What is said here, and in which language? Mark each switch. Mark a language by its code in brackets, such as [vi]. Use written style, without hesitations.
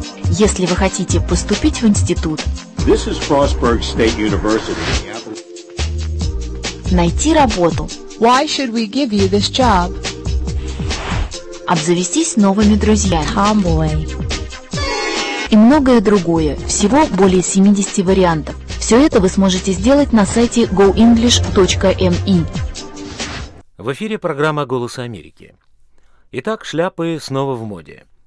[ru] Если вы хотите поступить в институт, [en] This is Frostburg State University. [ru] Найти работу. [en] Why should we give you this job? [ru] Обзавестись новыми друзьями. [en] Tomboy. [ru] И многое другое. Всего более 70 вариантов. Все это вы сможете сделать на сайте goenglish.me. В эфире программа «Голос Америки». Итак, шляпы снова в моде.